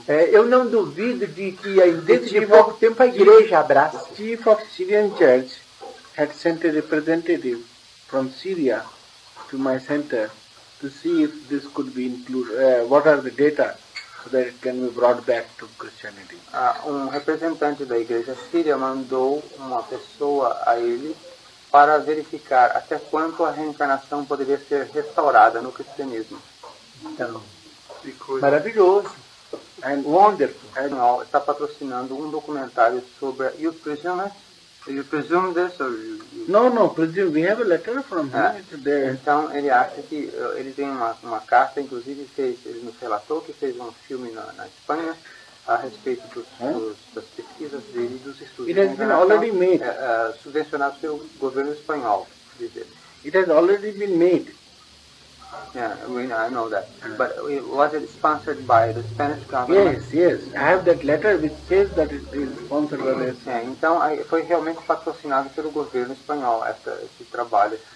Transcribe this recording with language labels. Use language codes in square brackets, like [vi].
[pt] Eu não duvido de que dentro de pouco tempo a igreja abraça. [en] The chief of Syrian church had sent a representative from Syria to my center to see if this could be included, what are the data so that it can be brought back to Christianity. [pt] Um representante da igreja síria mandou uma pessoa a ele para verificar até quanto a reencarnação poderia ser restaurada no cristianismo. Então, maravilhoso. [en] And wonderful. And now [pt] está patrocinando documentário sobre [en] you presume it? You presume this or No, presume. We have a letter from him today. [pt] Então ele acha que ele tem uma carta, inclusive ele nos relatou que fez um filme na Espanha a respeito das pesquisas dele e dos estudos. [en] It has been already made. [pt] Subvencionado pelo governo espanhol, diz ele. [en] It has already been made. Yeah, I know that. But was it sponsored by the Spanish government? Yes. I have that letter which says that it is sponsored by this. [pt] Yeah, então foi realmente patrocinado pelo governo espanhol esse trabalho.